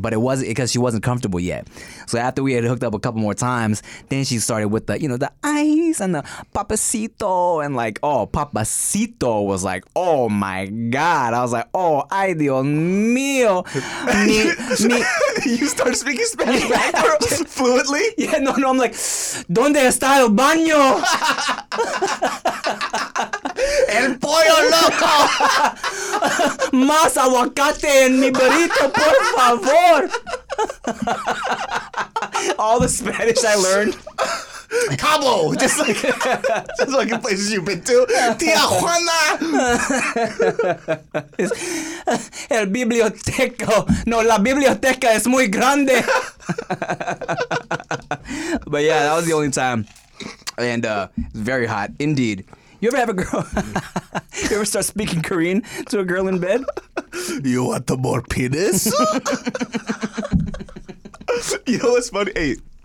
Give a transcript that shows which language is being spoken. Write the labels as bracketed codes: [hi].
[en] But it wasn't because she wasn't comfortable yet. So after we had hooked up a couple more times, then she started with the, you know, the ice and the papacito. And like, oh, papacito was like, oh, my God. I was like, oh, [es] ay, Dios mío. [en] You start speaking Spanish, right? Fluently? Yeah, no, I'm like, [es] ¿dónde está el baño? El pollo loco. Más aguacate en mi burrito, por favor. [en] All the Spanish I learned. Cabo, just like in places you've been to. [es] Tia Juana. El biblioteca. No, la biblioteca es muy grande. [en] But yeah, that was the only time. And it's very hot indeed. You ever have a girl? You ever start speaking Korean to a girl in bed? You want the more penis? You know what's funny? Hey.